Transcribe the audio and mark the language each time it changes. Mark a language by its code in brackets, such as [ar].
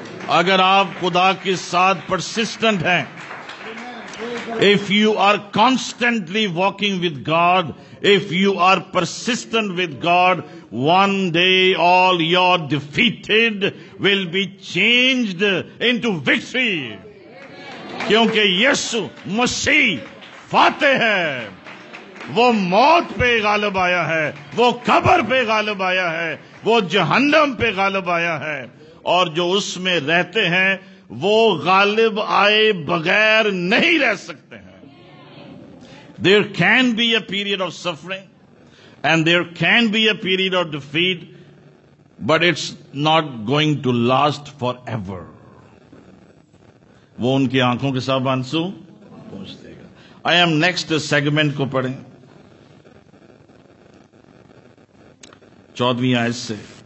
[ur] اگر آپ خدا کے ساتھ پرسسٹنٹ ہیں، [en] if you are constantly walking with God, if you are persistent with God, one day all your defeated will be changed into victory, [ur] کیونکہ یسوع مسیح فاتح ہے. وہ موت پہ غالب آیا ہے، وہ قبر پہ غالب آیا ہے، وہ جہنم پہ غالب آیا ہے، اور جو اس میں رہتے ہیں وہ غالب آئے بغیر نہیں رہ سکتے ہیں. [en] There can be a period of suffering and there can be a period of defeat, but it's not going to last forever. [ur] وہ ان کی آنکھوں کے سامنے آنسو پہنچ دے گا. [en] I am next segment [ur] کو پڑھیں, چودویں آیت سے.